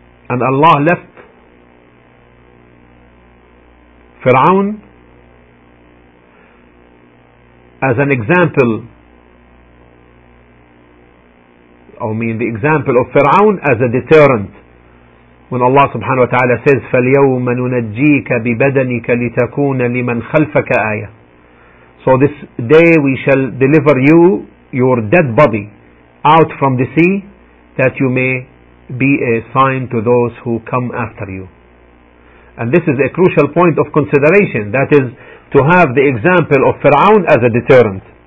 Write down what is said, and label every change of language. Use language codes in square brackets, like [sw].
[en] And Allah left Fir'aun as an example, the example of Fir'aun as a deterrent. When Allah subhanahu wa ta'ala says, [ar] فَالْيَوْمَ نُنَجِّيكَ بِبَدَنِكَ لِتَكُونَ لِمَنْ خَلْفَكَ آيَةً. [en] So this day we shall deliver you, your dead body, out from the sea, that you may be a sign to those who come after you. And this is a crucial point of consideration, that is to have the example of Fir'aun as a deterrent.